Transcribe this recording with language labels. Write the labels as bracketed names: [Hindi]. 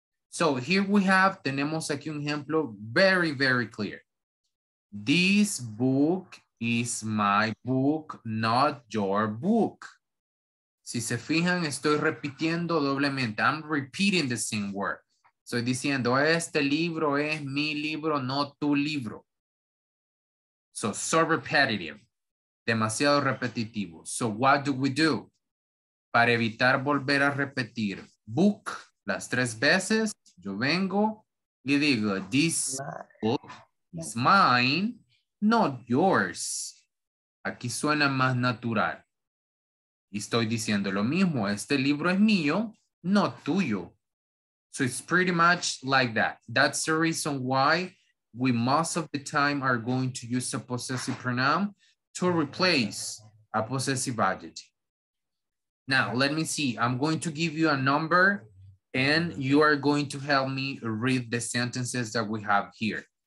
[English] So here we have, [Spanish] tenemos aquí un ejemplo [English] very, very clear. This book is my book, not your book. [Spanish] Si se fijan, estoy repitiendo doblemente. [English] I'm repeating the same word. [Spanish] Estoy diciendo, este libro es mi libro, no tu libro. [English] So, so repetitive. [Spanish] Demasiado repetitivo. [English] So, what do we do? [Spanish] Para evitar volver a repetir, book, las tres veces, yo vengo y digo, [English] this book is mine, not yours. [Spanish] Aquí suena más natural. Y estoy diciendo lo mismo, este libro es mío, no tuyo. [English] So it's pretty much like that. That's the reason why we most of the time are going to use a possessive pronoun to replace a possessive adjective. Now, let me see. I'm going to give you a number and you are going to help me read the sentences that we have here.